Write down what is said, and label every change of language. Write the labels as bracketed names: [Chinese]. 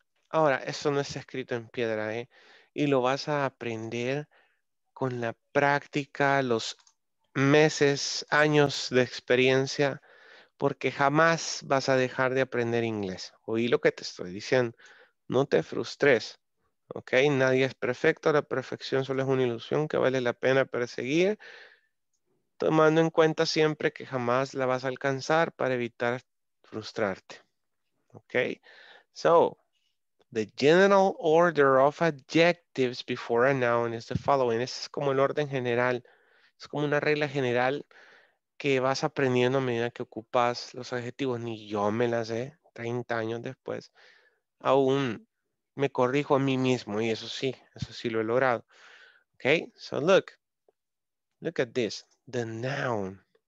[Spanish] Ahora, eso no está escrito en piedra, ¿eh? Y lo vas a aprender con la práctica, los meses, años de experiencia, porque jamás vas a dejar de aprender inglés. Oí lo que te estoy diciendo. No te frustres, ¿ok? Nadie es perfecto. La perfección solo es una ilusión que vale la pena perseguir. Tomando en cuenta siempre que jamás la vas a alcanzar para evitar frustrarte. [English] Okay? So, the general order of adjectives before a noun is the following. [Spanish] Es como el orden general. Es como una regla general que vas aprendiendo a medida que ocupas los adjetivos. Ni yo me las sé, 30 años después. Aún me corrijo a mí mismo y eso sí lo he logrado. [English] Okay? So, look. Look at this. The noun.